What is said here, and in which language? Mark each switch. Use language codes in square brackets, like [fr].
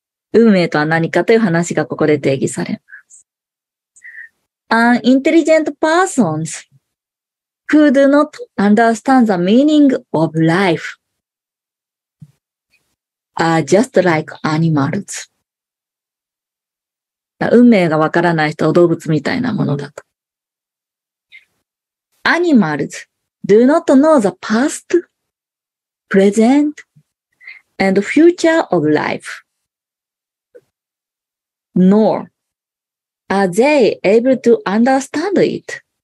[ja] 運命とは何かという話がここで定義されます。 [en] An intelligent person who do not understand the meaning of life. Just like animals. [ja] 運命がわからない人は動物みたいなものだと。 [en] Animals do not know the past, present, and future of life. Nor are they able to understand it.